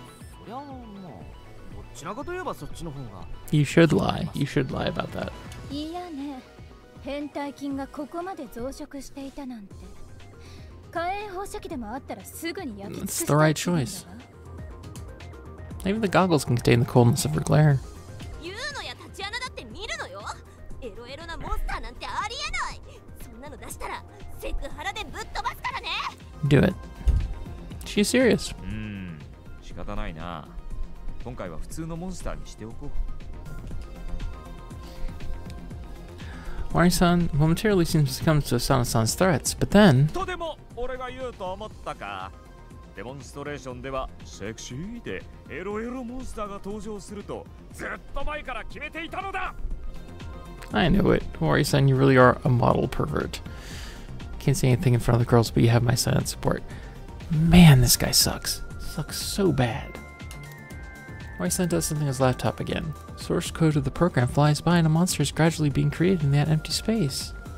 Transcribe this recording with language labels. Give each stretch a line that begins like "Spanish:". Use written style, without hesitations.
Japanese: そりゃあ、まあ、どちらかといえばそっちの方が。
English: You should lie. You should lie about that.
Japanese: いやね、変態菌がここまで増殖していたなんて。火炎放射器でもあったらすぐに焼き尽く
English: す。 It's the right choice. Maybe the goggles can contain the coldness of her glare.
Japanese: ユウノやタチアナだって見るのよ。エロエロなモンスターなんてありえない。そんなの出したらセクハラでぶっ飛ばすからね。
English: Do it. She's serious.
Japanese: 仕方ないな。今回は普通のモンスターにしておこう。
English: Wari-san momentarily seems to succumb to Asano-san's threats, but then...
Japanese: とても俺が言うと思ったか。デモンストレーションではセクシーでエロエロモンスターが登場するとずっと前から決めていたのだ。
English: I knew it. Wari-san, you really are a model pervert. Can't say anything in front of the girls, but you have my silent support. Man, this guy sucks. Sucks so bad. Wari-san does something on his laptop again. Source code of the program flies by and a monster is gradually being created in that empty space.